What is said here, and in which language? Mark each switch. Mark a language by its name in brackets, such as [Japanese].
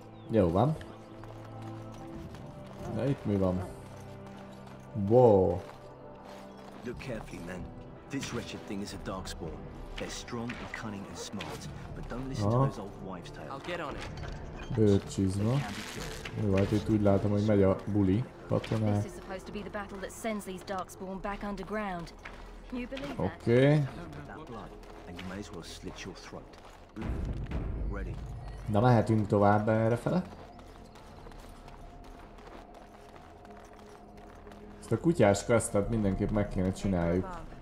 [Hungarian] Jó van. Na itt mi van? Wow. [English] Look carefully, man. This wretched thing is a darkspawn. They're strong and cunning and smart. But don't listen to those old wives' tales. I'll get on it. [Hungarian] Bőr csizma. Jó, hát itt úgy látom, hogy megy a buli. Katoná. [English] This is supposed to be the battle that sends these darkspawn back underground. You believe that? Okay. And you may as well slit your throat. Ready. [Hungarian] Na, mehetünk tovább erre fele. Ezt a kutyás questet mindenképp meg kéne csináljuk.